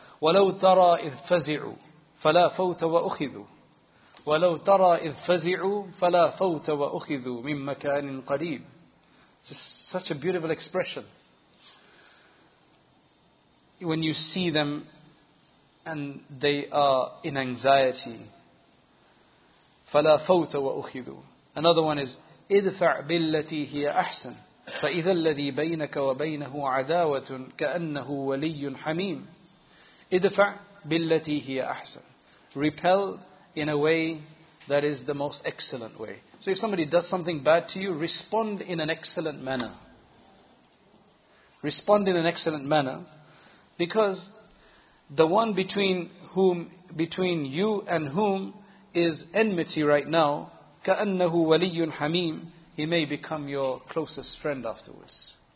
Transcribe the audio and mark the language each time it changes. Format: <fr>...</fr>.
<ar>وَلَوْ تَرَى إِذْ فَزِعُوا فَلَا فَوْتَ وَأُخِذُوا وَلَوْ تَرَى إِذْ فَزِعُوا فَلَا فَوْتَ وَأُخِذُوا مِنْ مَكَانٍ قَرِيبٍ.</ar> <en>It's such a beautiful expression. When you see them and they are in anxiety,</en> <ar>فَلَا فَوْتَ وَأُخِذُوا.</ar> <en>Another one is</en> <ar>اِدْفَعْ بِالَّتِي هِيَ أَحْسَنُ فَإِذَا الَّذِي بَيْنَكَ وَبَيْنَهُ عَدَاوَةٌ كَأَنَّهُ وَلِيٌّ حَمِيمٌ اِدْفَعْ بِالَّتِي هِيَ أَحْسَنُ.</ar> <en>Repel in a way that is the most excellent way. So if somebody does something bad to you, respond in an excellent manner. Respond in an excellent manner. Because the one between you and whom is enmity right now,</en> <ar>كَأَنَّهُ وَلِيٌّ حَمِيمٌ,</ar> <en>he may become your closest friend afterwards.</en>